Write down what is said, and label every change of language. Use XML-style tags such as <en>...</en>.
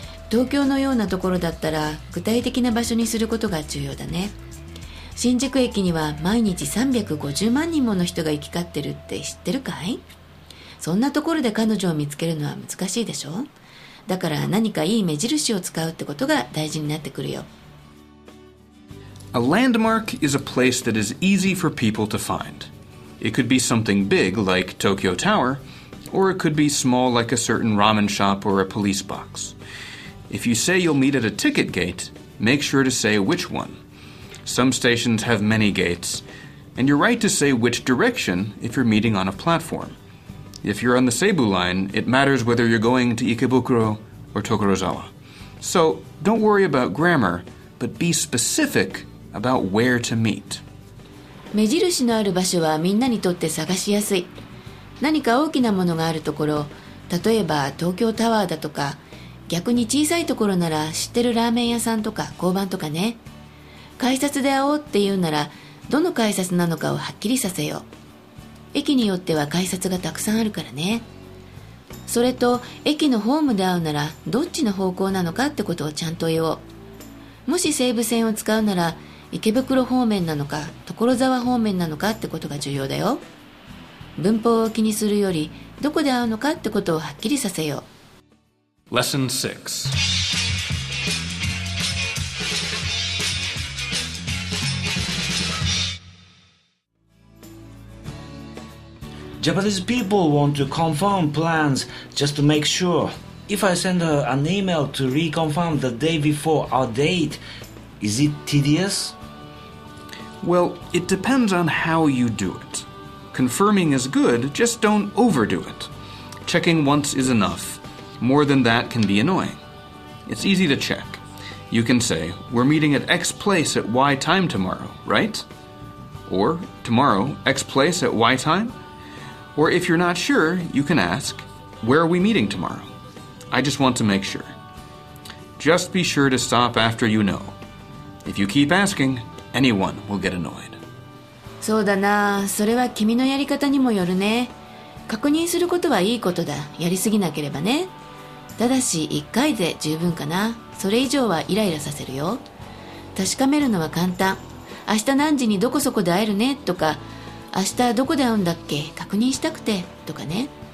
<ja>東京のようなところだったら具体的な場所にすることが重要だね。新宿駅には毎日350万人もの人が行き交ってるって知ってるかい？そんなところで彼女を見つけるのは難しいでしょ？だから何かいい目印を使うってことが大事になってくるよ。</ja> <en>A landmark is a place that is easy for people to find. It could be something big like Tokyo Tower, or it could be small like a certain ramen shop or a police box. If you say you'll meet at a ticket gate, make sure to say which one. Some stations have many gates, and you're right to say which direction if you're meeting on a platform. If you're on the Seibu line, it matters whether you're going to Ikebukuro or Tokorozawa. So don't worry about grammar, but be specific about where to meet.</en> <ja>目印のある場所はみんなにとって探しやすい。何か大きなものがあるところ、例えば東京タワーだとか、逆に小さいところなら知ってるラーメン屋さんとか交番とかね。改札で会おうっていうならどの改札なのかをはっきりさせよう。駅によっては改札がたくさんあるからね。それと駅のホームで会うならどっちの方向なのかってことをちゃんと言おう。もし西武線を使うなら池袋方面なのか所沢方面なのかってことが重要だよ。文法を気にするよりどこで会うのかってことをはっきりさせよう。</ja> <en>Lesson 6 Japanese people want to confirm plans just to make sure. If I send an email to reconfirm the day before our date, is it tedious Well, it depends on how you do it. Confirming is good, just don't overdo it. Checking once is enough. More than that can be annoying. It's easy to check. You can say, we're meeting at X place at Y time tomorrow, right? Or, tomorrow, X place at Y time? Or if you're not sure, you can ask, where are we meeting tomorrow? I just want to make sure. Just be sure to stop after you know. If you keep asking... Anyone will get annoyed.</en> <ja>そうだな、それは君のやり方にもよるね。確認することはいいことだ、やりすぎなければね。ただし一回で十分かな、それ以上はイライラさせるよ。確かめるのは簡単。明日何時にどこそこで会えるねとか、明日どこで会うんだっけ、確認したくてとかね。</ja>